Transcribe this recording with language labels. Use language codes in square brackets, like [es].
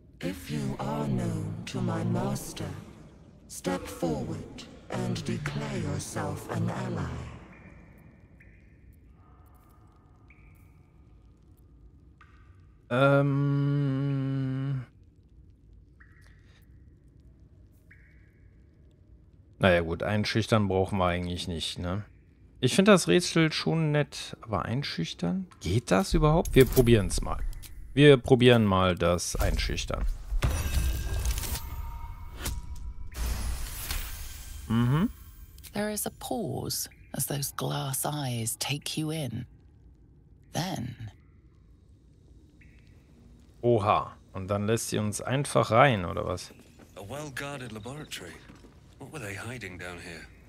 [en] If you are known to my master, step forward and declare yourself an ally. [de] Naja gut, einschüchtern brauchen wir eigentlich nicht, ne? Ich finde das Rätsel schon nett, aber einschüchtern? Geht das überhaupt? Wir probieren es mal. Wir probieren mal das Einschüchtern. Mhm. [en] There is a pause, as those glass eyes take you in. Then. [de] Oha, und dann lässt sie uns einfach rein, oder was? [en] A well-guarded laboratory. What were they hiding down here?